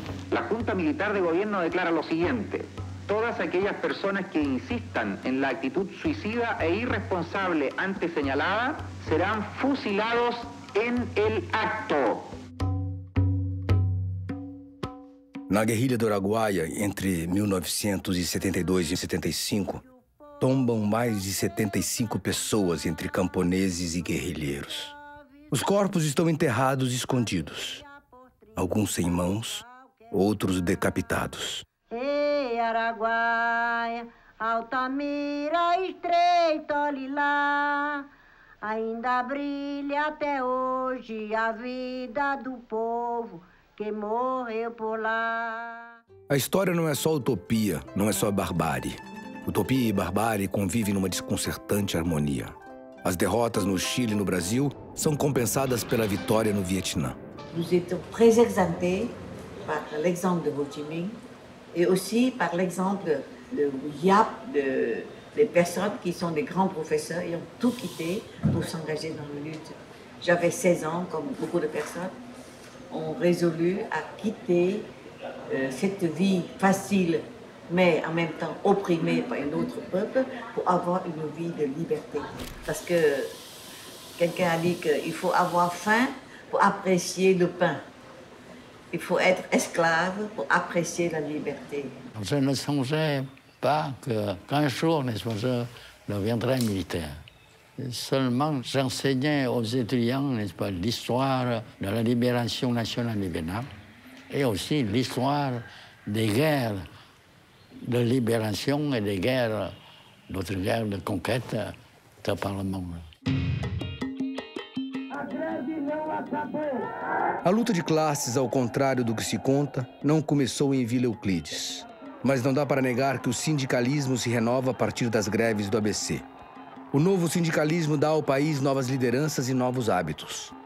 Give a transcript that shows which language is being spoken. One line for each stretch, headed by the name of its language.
Spanish: La Junta Militar de Gobierno declara lo siguiente: todas aquellas personas que insistan en la actitud suicida e irresponsable antes señalada serán fusilados en el acto.
Portuguese: Na guerrilha do Araguaia, entre 1972 e 75, tombam mais de 75 pessoas entre camponeses e guerrilheiros. Os corpos estão enterrados e escondidos. Alguns sem mãos, outros decapitados. Ei, Araguaia, Altamira, Estreito, olhe lá. Ainda brilha até hoje a vida do povo que morreu por lá. A história não é só utopia, não é só barbárie. Utopia e barbárie convivem numa desconcertante harmonia. As derrotas no Chile e no Brasil são compensadas pela vitória no Vietnã.
French: Nós estamos très exaltés par l'exemple de Ho Chi Minh et aussi par l'exemple de Yap, de personnes qui sont des grands professeurs et ont tout quitté pour s'engager dans la lutte. J'avais 16 ans, comme beaucoup de personnes, ont résolu à quitter cette vie facile, mais en même temps opprimée par un autre peuple, pour avoir une vie de liberté. Parce que quelqu'un a dit qu'il faut avoir faim pour apprécier le pain. Il faut être esclave pour apprécier la liberté. Je ne songeais pas qu'un jour, n'est-ce pas, je deviendrais militaire. Seulement, j'enseignais aux étudiants, n'est-ce pas, l'histoire de la libération nationale du Vietnam et aussi l'histoire des guerres de libération et des guerres, d'autres guerres de conquête de par le monde.
Portuguese: A luta de classes, ao contrário do que se conta, não começou em Vila Euclides. Mas não dá para negar que o sindicalismo se renova a partir das greves do ABC. O novo sindicalismo dá ao país novas lideranças e novos hábitos.